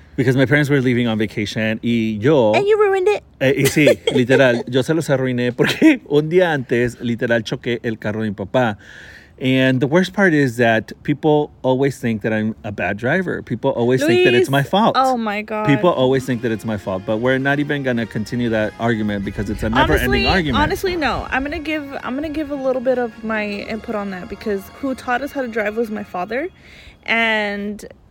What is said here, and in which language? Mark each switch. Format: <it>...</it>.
<en>Because my parents were leaving on vacation</en> <es>y yo...</es> <en>And you ruined it.</en> <es>Y sí, literal, yo se los arruiné porque un día antes, literal, choqué el carro de mi papá.</es> <en>And the worst part is that people always think that I'm a bad driver. People always think that it's my fault. Oh, my God. People always think that it's my fault. But we're not even going to continue that argument because it's a never-ending argument. Honestly, no. I'm gonna give a little bit of my input on that because who taught us how to drive was my father. And...</en>